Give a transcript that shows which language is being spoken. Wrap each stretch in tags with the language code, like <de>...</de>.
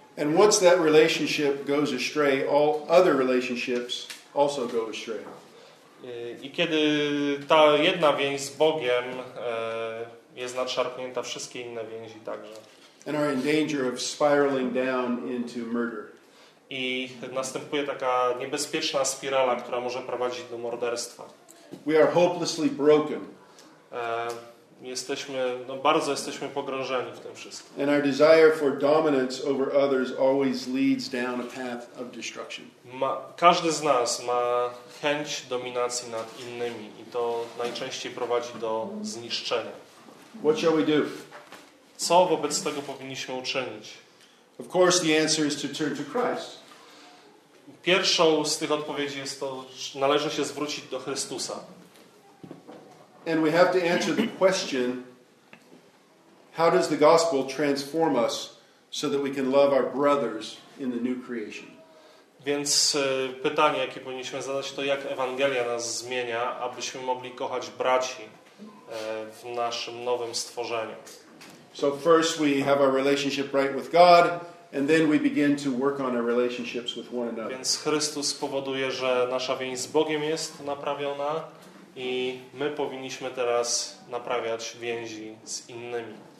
<en>And once that relationship goes astray, all other relationships also go astray.</en> <pl>I kiedy ta jedna więź z Bogiem jest nadszarpnięta, wszystkie inne więzi także.</pl> <en>And are in danger of spiraling down into murder.</en> <pl>I następuje taka niebezpieczna spirala, która może prowadzić do morderstwa.</pl> <en>We are hopelessly broken.</en> <pl>jesteśmy, no bardzo jesteśmy pogrążeni w tym wszystkim.</pl> <en>And our desire for dominance over others always leads down a path of destruction.</en> <pl>Każdy z nas ma chęć dominacji nad innymi i to najczęściej prowadzi do zniszczenia.</pl> <en>What shall we do?</en> <pl>Co wobec tego powinniśmy uczynić?</pl> <en>Of course the answer is to turn to Christ.</en> <pl>Pierwszą z tych odpowiedzi jest to, że należy się zwrócić do Chrystusa.</pl> <en>And we have to answer the question, how does the gospel transform us so that we can love our brothers in the new creation?</en> <pl>Więc pytanie, jakie powinniśmy zadać, to jak Ewangelia nas zmienia, abyśmy mogli kochać braci w naszym nowym stworzeniu.</pl> <en>So first we have our relationship right with God, and then we begin to work on our relationships with one another.</en> <pl>Więc Chrystus powoduje, że nasza więź z Bogiem jest naprawiona. I my powinniśmy teraz naprawiać więzi z innymi.</pl>